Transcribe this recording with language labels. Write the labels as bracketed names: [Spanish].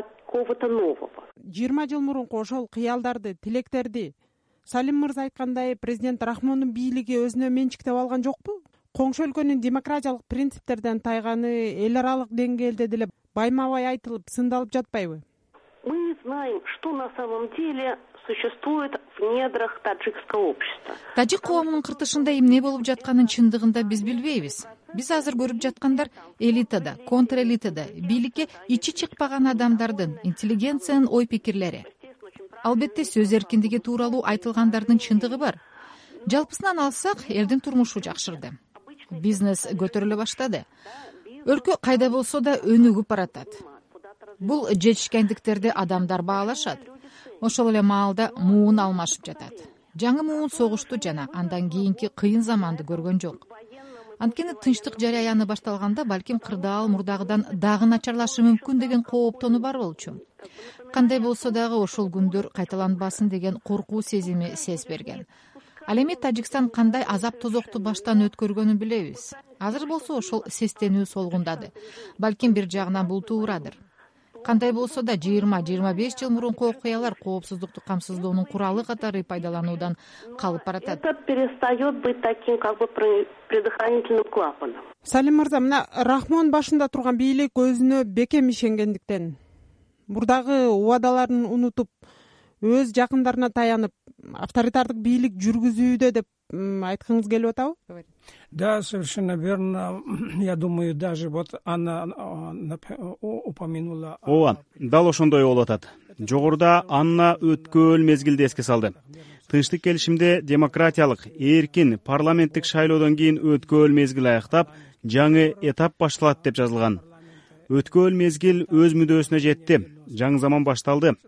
[Kyrgyz] Жыйырма жыл мурунку ошол кыялдарды, тилектерди Салим мырза айткандай, президент Рахмондун бийлиги өзүнө менчиктеп алган жокпу? Коңшу өлкөнүн демократиялык принциптерден тайганы эл аралык деңгээлде деле байма-бай айтылып, сындалып жатпайбы? [Russian] Мы знаем, что на самом деле существует в недрах таджикского общества. [Kyrgyz] Тажик коомунун кыртышында эмне болуп жатканын чындыгында биз билбейбиз. Биз азыр көрүп жаткандар элитада, контрэлитада, бийликке ичи чыкпаган адамдардын, интеллигенциянын ой пикирлери. Албетте, сөз эркиндиги тууралуу айтылгандардын чындыгы бар. Жалпысынан алсак, элдин турмушу жакшырды. Бизнес көтөрүлө баштады. Өлкө кайда болсо да өнүгүп баратат. Бул жетишкендиктерди адамдар баалашат. Ошол эле маалда муун алмашып жатат. Жаңы муун согушту жана андан кийинки кыйын заманды көргөн жок. Анткени тынчтык жараяны башталганда балким кырдаал мурдагыдан дагы начарлашы мүмкүн деген кооптону бар болчу. Кандай болсо дагы ошол күндөр кайталанбасын деген коркуу сезими сез берген. Ал эми Тажикстан кандай азап тозокту баштан өткөргөнүн билебиз. Азыр болсо ошол сестенүү солгундады. Балким бир жагынан бул туурадыр. Кандай болсо да 20-25 жыл мурунку окуялар коопсуздукту камсыздоонун куралы катары пайдалануудан калып баратат. [Russian] Это перестаёт быть таким, как бы предохранительным клапаном. [Kyrgyz] Салим мырза, мына Рахмон башында турган бийлик өзүнө бекем ишенгендиктен, мурдагы убадаларын унутуп, өз жакындарына таянып, авторитардык бийлик жүргүзүүдө деп айткыңыз келип атабы? [Russian] Да, совершенно верно. Я думаю, даже вот она упомянула. [Kyrgyz] Ооба, дал ошондой болуп атат. Жогоруда Анна өткөн мезгилди эске салды. Тынчтык келишимде демократиялык, эркин парламенттик шайлоодон кийин өткөн мезгил аяктап, жаңы этап башталат деп жазылган. Өткөн мезгил өз мүдөөсүнө жетти. Жаңы заман башталды.